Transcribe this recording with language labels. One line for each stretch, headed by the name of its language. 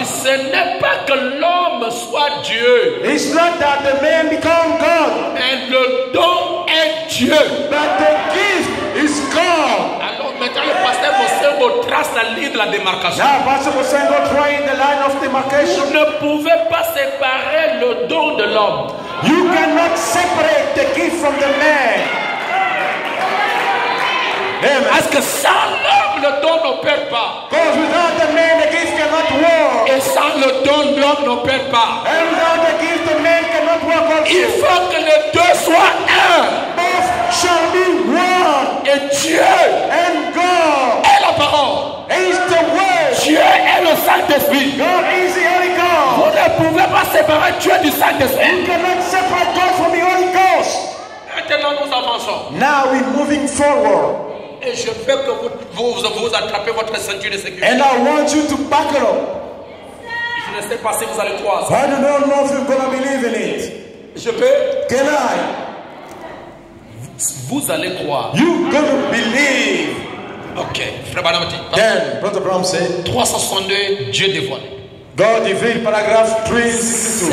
French: Et ce n'est pas que l'homme soit Dieu.
English: It's not that the man become God.
French: Mais le don est Dieu.
English: But the gift is God.
French: Maintenant, le pasteur Bosengo trace la ligne de la démarcation.
English: Now, Pastor Bosengo drawing the line of demarcation.
French: Vous ne pouvez pas séparer le don de l'homme.
English: You cannot separate the gift from the man. Amen.
French: Parce que sans l'homme, le don n'opère pas.
English: Because without the man, the gift cannot work.
French: Et sans le don, l'homme n'opère pas.
English: And without the gift, the man cannot work also.
French: Il faut que les deux soient un.
English: Both shall be one.
French: Et Dieu.
English: And God.
French: Est la parole.
English: Is the word.
French: Dieu est le Saint-Esprit.
English: God is the Holy Ghost.
French: Vous ne pouvez pas séparer Dieu du Saint-Esprit.
English: You cannot separate God from the Holy Ghost.
French: Maintenant, nous avançons.
English: Now we're moving forward.
French: Et je veux que vous attrapez votre ceinture de sécurité.
English: And I want you to buckle up.
French: Je ne sais pas si vous allez croire.
English: I don't know if you're gonna believe in it.
French: Je peux?
English: Can I?
French: Vous allez croire.
English: You're gonna believe.
French: Ok, Frère Branham.
English: Then, Brother Branham said.
French: 362, Dieu dévoile.
English: God revealed, paragraph 362.